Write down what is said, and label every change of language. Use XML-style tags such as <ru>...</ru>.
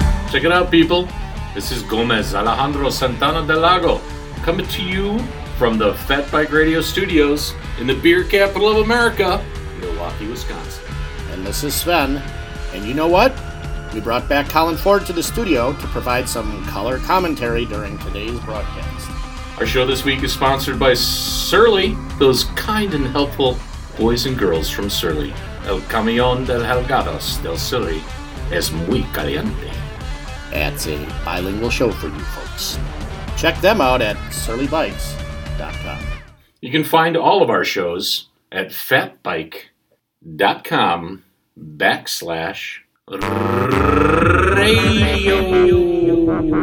<en>Check it out, people. This is Gomez Alejandro Santana del Lago, coming to you from the Fat Bike Radio studios in the beer capital of America, Milwaukee, Wisconsin. And this is Sven. And you know what? We brought back Colin Ford to the studio to provide some color commentary during today's broadcast. Our show this week is sponsored by Surly, those kind and helpful boys and girls from Surly.</en> <es>El Camión de Helgados del Surly es muy caliente.</es> <en>That's a bilingual show for you folks. Check them out at surlybikes.com. You can find all of our shows at fatbike.com/radio.</en>